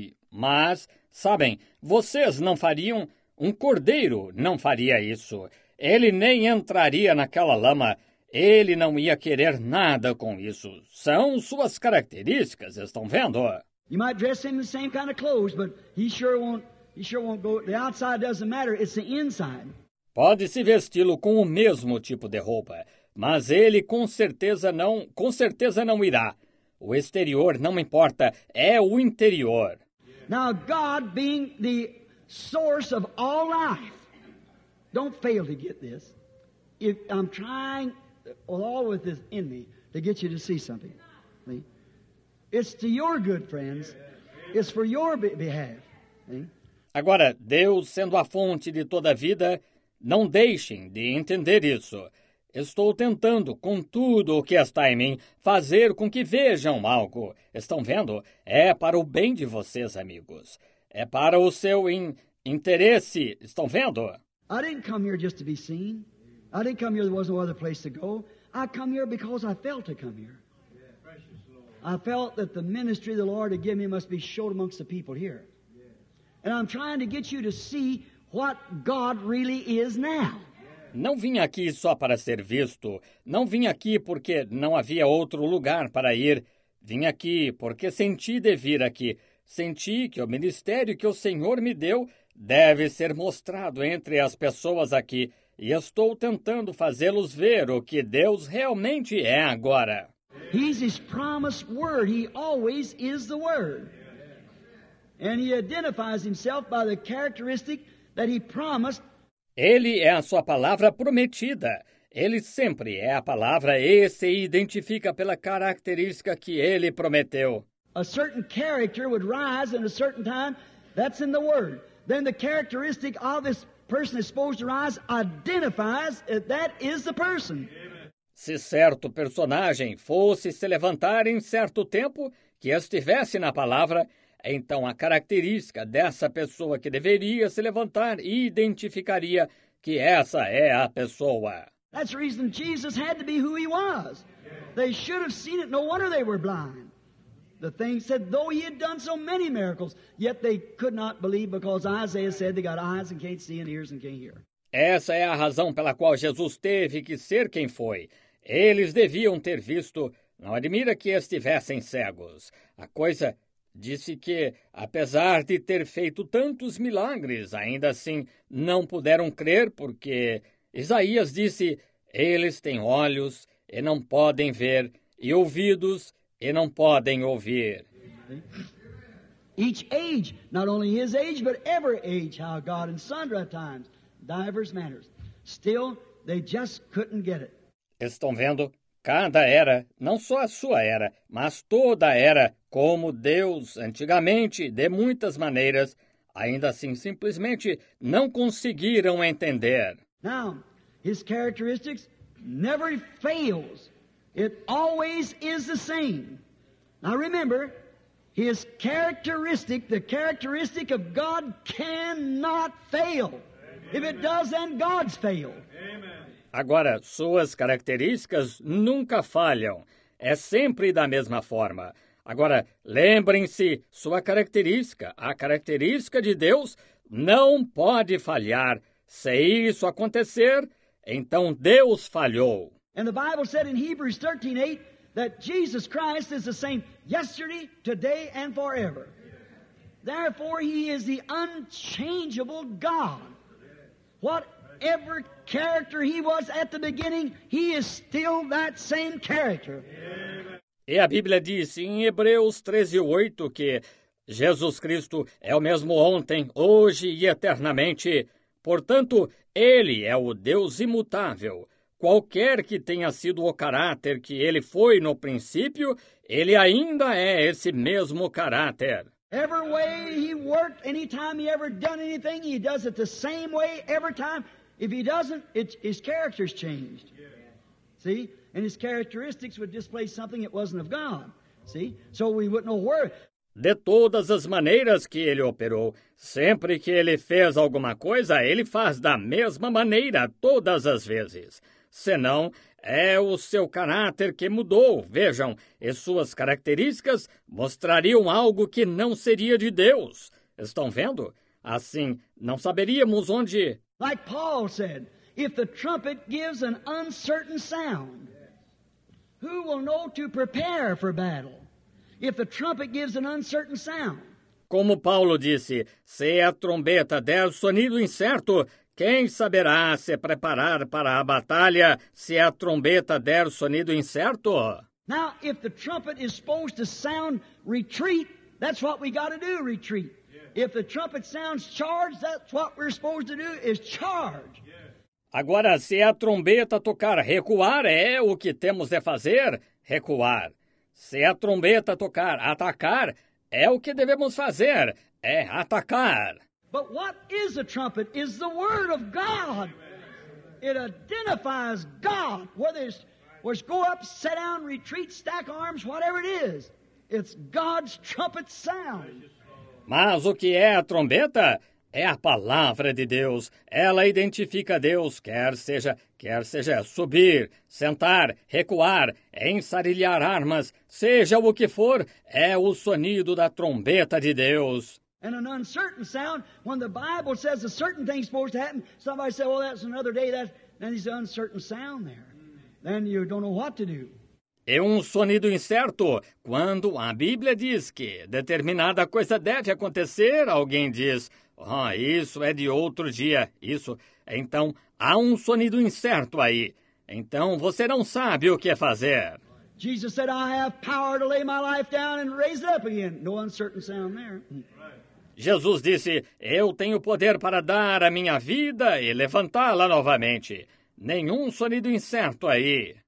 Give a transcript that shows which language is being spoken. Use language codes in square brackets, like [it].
[pt] Mas, sabem, vocês não fariam, um cordeiro não faria isso. Ele nem entraria naquela lama. Ele não ia querer nada com isso. São suas características, estão vendo? [en] You might dress him in the same kind of clothes, but he sure won't go, the outside doesn't matter, it's the inside. [pt] Pode se vesti-lo com o mesmo tipo de roupa. Mas ele com certeza não irá. O exterior não importa, é o interior. [en] Now God being the source of all life, don't fail to get this. If I'm trying all with this in me to get you to see something, see? It's to your good, friends. It's for your behalf. See? [pt] Agora, Deus sendo a fonte de toda a vida, não deixem de entender isso. Estou tentando, com tudo o que está em mim, fazer com que vejam algo. Estão vendo? É para o bem de vocês, amigos. É para o seu interesse. Estão vendo? [en] I didn't come here just to be seen. I didn't come here, there was no other place to go. I come here because I felt to come here. I felt that the ministry the Lord had given me must be showed amongst the people here. And I'm trying to get you to see what God really is now. [pt] Não vim aqui só para ser visto. Não vim aqui porque não havia outro lugar para ir. Vim aqui porque senti de vir aqui. Senti que o ministério que o Senhor me deu deve ser mostrado entre as pessoas aqui. E estou tentando fazê-los ver o que Deus realmente é agora. [en] He's his promised word. He always is the word. And he identifies himself by the characteristic that he promised. [pt] Ele é a sua palavra prometida. Ele sempre é a palavra e se identifica pela característica que ele prometeu. [en] A certain character would rise in a certain time. That's in the word. Then the characteristic of this person is supposed to rise identifies that that is the person. [pt] Se certo personagem fosse se levantar em certo tempo que estivesse na palavra, então, a característica dessa pessoa que deveria se levantar identificaria que essa é a pessoa. [en] That's the reason Jesus had to be who he was. Yeah. They should have seen it. No wonder they were blind. The thing said, though he had done so many miracles, yet they could not believe because Isaiah said they got eyes and can't see and ears and can't hear. [pt] Essa é a razão pela qual Jesus teve que ser quem foi. Eles deviam ter visto. Não admira que estivessem cegos. A coisa disse que, apesar de ter feito tantos milagres, ainda assim não puderam crer porque Isaías disse, eles têm olhos e não podem ver, e ouvidos e não podem ouvir. [en] Each age, not only his age, but every age, how God and sundry times, divers manners. Still, they just couldn't get it. [pt] Estão vendo? Cada era, não só a sua era, mas toda era, como Deus, antigamente, de muitas maneiras, ainda assim, simplesmente, não conseguiram entender. [en] Now, his characteristics never fails. It always is the same. Now remember, his characteristic, the characteristic of God cannot fail. Amen. If it does, then God's failed. [pt] Agora, suas características nunca falham. É sempre da mesma forma. Agora, lembrem-se, sua característica, a característica de Deus, não pode falhar. Se isso acontecer, então Deus falhou. [en] And the Bible said in Hebrews 13:8 that Jesus Christ is the same yesterday, today and forever. Therefore he is the unchangeable God. Whatever character he was at the beginning, he is still that same character. [pt] E a Bíblia diz em Hebreus 13:8 que Jesus Cristo é o mesmo ontem, hoje e eternamente. Portanto, ele é o Deus imutável. Qualquer que tenha sido o caráter que ele foi no princípio, ele ainda é esse mesmo caráter. [en] Every way he worked, any time he ever done anything, he does it the same way every time. If he doesn't, his character's changed. See? And his characteristics would display something that wasn't of God. See? So we wouldn't know where. [pt] De todas as maneiras que ele operou, sempre que ele fez alguma coisa, ele faz da mesma maneira todas as vezes. Senão, é o seu caráter que mudou. Vejam, e suas características mostrariam algo que não seria de Deus. Estão vendo? Assim, não saberíamos onde. [en] Like Paul said, if the trumpet gives an uncertain sound, who will know to prepare for battle? If the trumpet gives an uncertain sound. [pt] Como Paulo disse, se a trombeta der sonido incerto, quem saberá se preparar para a batalha se a trombeta der sonido incerto? [en] Now, if the trumpet is supposed to sound retreat, that's what we got to do, retreat. Yeah. If the trumpet sounds charge, that's what we're supposed to do, is charge. Yeah. [pt] Agora, se a trombeta tocar recuar, é o que temos de fazer, recuar. Se a trombeta tocar atacar, é o que devemos fazer, é atacar. [en] But what is a trumpet? Is the word of God. It identifies God. Whether it's go up, sit down, retreat, stack arms, whatever it is. It's God's trumpet sound. [pt] Mas o que é a trombeta? É a palavra de Deus. Ela identifica Deus, quer seja subir, sentar, recuar, ensarilhar armas, seja o que for, é o sonido da trombeta de Deus. [en] And an uncertain sound, when the Bible says a certain thing's supposed to happen, somebody says, well, that's another day, then there's an uncertain sound there. Then you don't know what to do. [pt] É um sonido incerto. Quando a Bíblia diz que determinada coisa deve acontecer, alguém diz, oh, isso é de outro dia, isso. Então, há um sonido incerto aí. Então, você não sabe o que fazer. [en] Jesus said, I have power to lay my life down and raise it up again. No uncertain sound there. [pt] Jesus disse, eu tenho poder para dar a minha vida e levantá-la novamente. Nenhum sonido incerto aí.